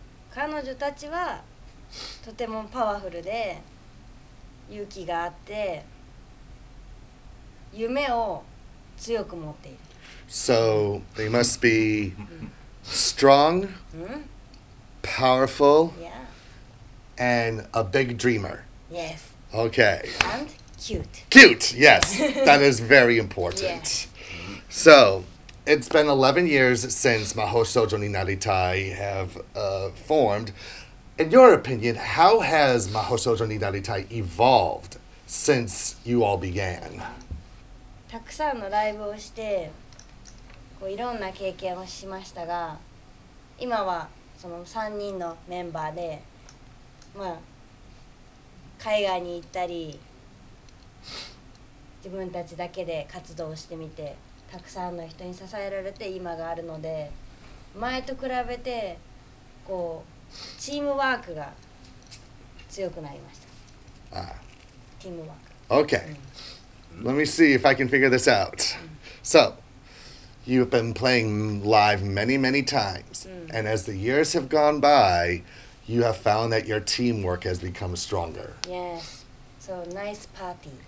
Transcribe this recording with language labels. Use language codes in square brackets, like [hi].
[ja] 彼女たちはとてもパワフルで勇気があって夢を強く持っている。 [en] So they must be strong, powerful, and a big dreamer. Yes. Okay. And cute. Cute. Yes, that is very important. So. It's been 11 years since Maho Shoujo ni Naritai have formed. In your opinion, how has Maho Shoujo ni Naritai evolved since you all began? [ja] たくさんのライブをしてこういろんな経験をしましたが今はその3人のメンバーで、まあ、海外に行ったり自分たちだけで活動してみてたくさんの人に支えられて今があるので前と比べてこうチームワークが強くなりました。チームワーク。 [en] Okay. Let me see if I can figure this out. So, you've been playing live many, many times. And as the years have gone by, you have found that your teamwork has become stronger. Yes. So nice party.